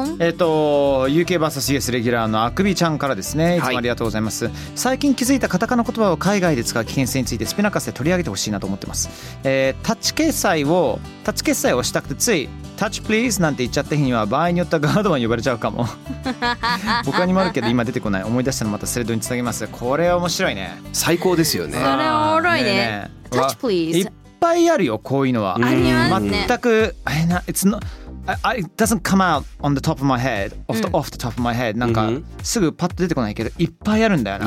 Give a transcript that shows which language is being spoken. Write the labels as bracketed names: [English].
[Japanese] UK vs US レギュラーのあくびちゃんからですね、いつもありがとうございます、はい、最近気づいたカタカナ言葉を海外で使う危険性についてスピナカスで取り上げてほしいなと思ってます、タッチ決済をしたくて、ついタッチプリーズなんて言っちゃった日には場合によってはガードマン呼ばれちゃうかも他にもあるけど今出てこない、思い出したらまたスレッドにつなげます。これ面白いね。最高ですよね。これ面白い ね, ね, ねタッチプリーズいっぱいあるよ、こういうのは。全く、 [English] It's not, it doesn't come out on the top of my head, off the,、 [Japanese] うん、 [English] off the top of my head. [Japanese] なんか、すぐパッと出てこないけど、いっぱいあるんだよな。